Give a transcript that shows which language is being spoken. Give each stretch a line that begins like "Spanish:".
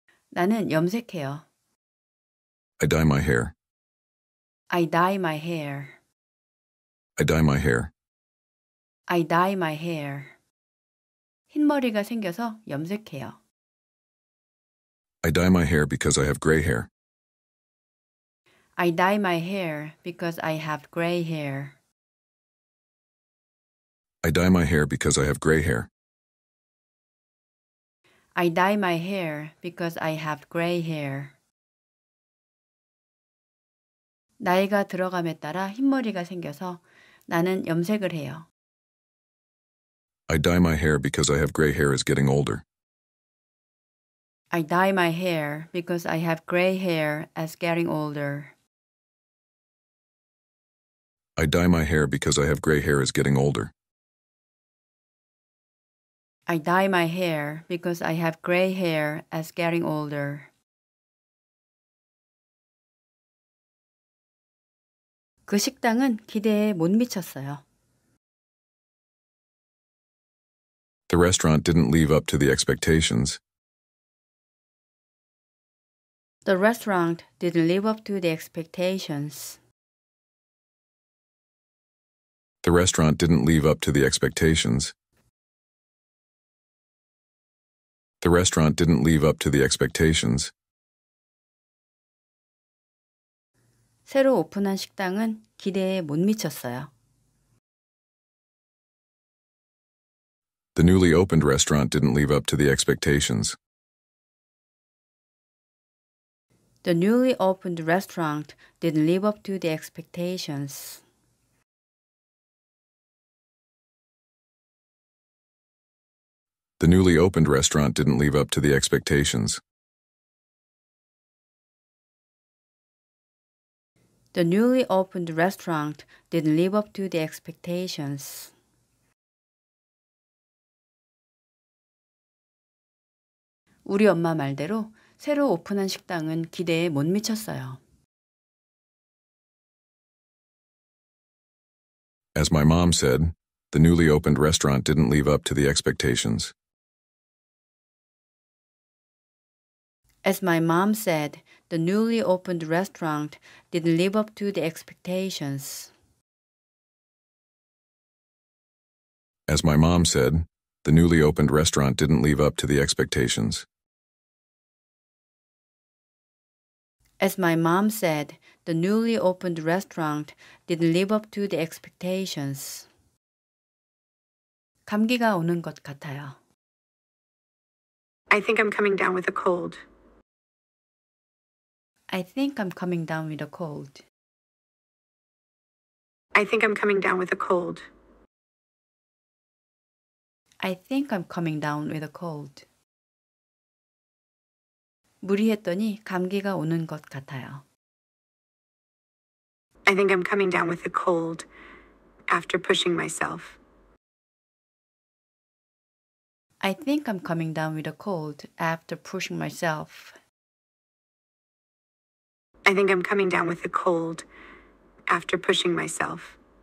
Korean: 나는 염색해요.
English: I dye my hair. I dye my hair. I dye my hair. I dye my hair.
Korean: 흰 머리가 생겨서 염색해요.
English: I dye my hair because I have gray hair. I dye my hair because I have gray hair. I dye my hair because I have gray hair. I dye my hair because I have gray hair.
Korean: 나이가 들어감에 따라 흰머리가 생겨서 나는 염색을 해요.
English: I dye my hair because I have gray hair is getting older. I dye my hair because I have gray hair as getting older. I dye my hair because I have gray hair is getting older. I dye my hair because I have gray hair as getting older.
Korean: 그 식당은 기대에 못 미쳤어요.
English: The restaurant didn't live up to the expectations. The restaurant didn't live up to the expectations. The restaurant didn't live up to the expectations. The restaurant didn't live up to the expectations.
Korean: 새로 오픈한 식당은 기대에 못 미쳤어요.
English: The newly opened restaurant didn't live up to the expectations. The newly opened restaurant didn't live up to the expectations. The newly opened restaurant didn't live up to the expectations. The newly opened restaurant didn't live up to the expectations.
Korean: 우리 엄마 말대로 새로 오픈한 식당은 기대에 못 미쳤어요.
English: As my mom said, the newly opened restaurant didn't live up to the expectations. As my mom said, the newly opened restaurant didn't live up to the expectations. As my mom said, the newly opened restaurant didn't live up to the expectations. As my mom said, the newly opened restaurant didn't live up to the expectations.
Korean: 감기가 오는 것 같아요.
English: I think I'm coming down with a cold. I think I'm coming down with a cold. I think I'm coming down with a cold. I think I'm coming down with a cold.
Korean: 무리했더니 감기가 오는 것 같아요.
English: I think I'm coming down with a cold after pushing myself. I think I'm coming down with a cold after pushing myself. I think I'm coming down with a cold after pushing myself.